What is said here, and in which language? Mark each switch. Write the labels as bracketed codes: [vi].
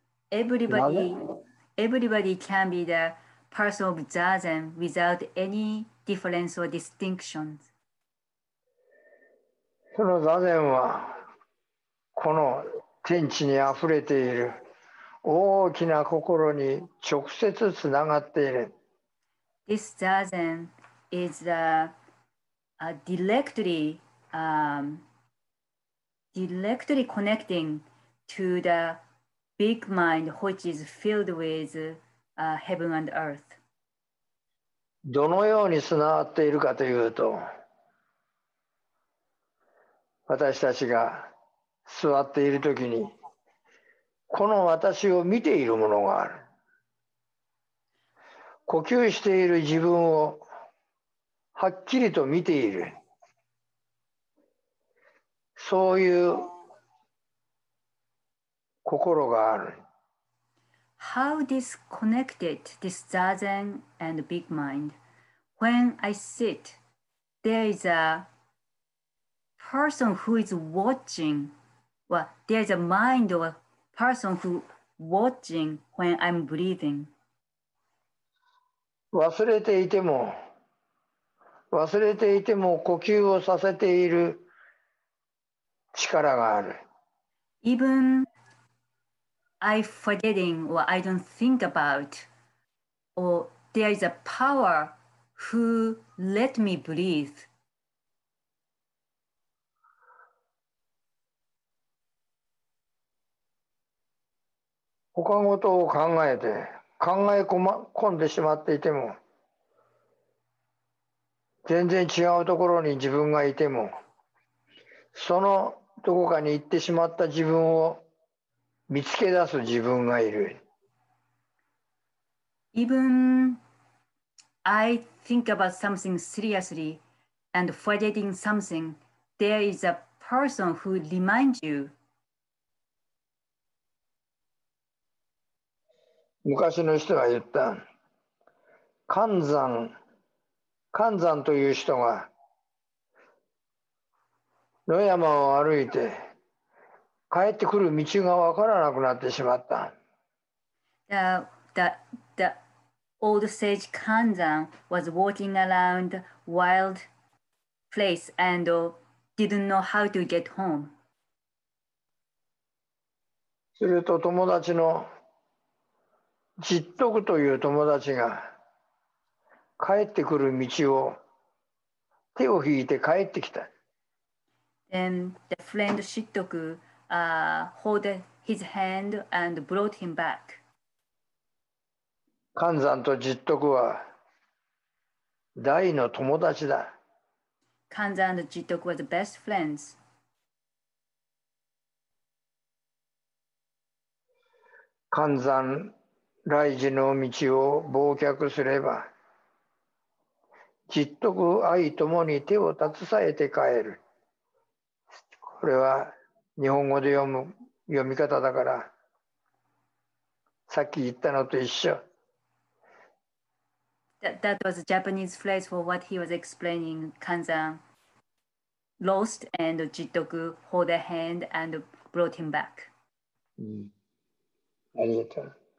[en] Everybody can be the person of zazen without any difference or distinctions. [ja] その座禅はこの天地にあふれている大きな心に直接つながっている。 [en] This zazen is directly connecting to the big mind, which is filled with heaven and earth. [ja] どのようにつながっているかというと、私たちが座っているときに、この私を見ているものがある。呼吸している自分をはっきりと見ている。そういう心がある。 [en] How disconnected this zazen and big mind? When I sit, there is a person who is watching, well, there's a mind or a person who watching when I'm breathing. [ja] 忘れていても呼吸をさせている力がある。 [en] Even I forgetting or I don't think about, or there is a power who let me breathe. [ja] ほかのことを考えて、考え込んでしまっていても、全然違うところに自分がいても、そのどこかに行ってしまった自分を見つけ出す自分がいる。 [en] Even I think about something seriously and forgetting something, there is a person who reminds you. [ja] 昔の人が言った、寒山という人が野山を歩いて帰ってくる道が分からなくなってしまった。 [en] The old sage Kanzan was walking around wild place and didn't know how to get home. [ja] すると友達のじっとくという友達が帰ってくる道を手を引いて帰ってきた。 [en] Then the friend Shittoku hold his hand and brought him back. [ja] 寒山とじっとくは大の友達だ。 [en] Kanzan and Jittoku were the best friends. [ja] 寒山来時の道を忘却すれば、じっとく愛ともに手を携えて帰る。これは日本語で読み方だから、さっき言ったのと一緒。 [en] That was a Japanese phrase for what he was explaining. Kanzan lost and じっとく hold a hand and brought him back.、 [ja] うん、ありがとう。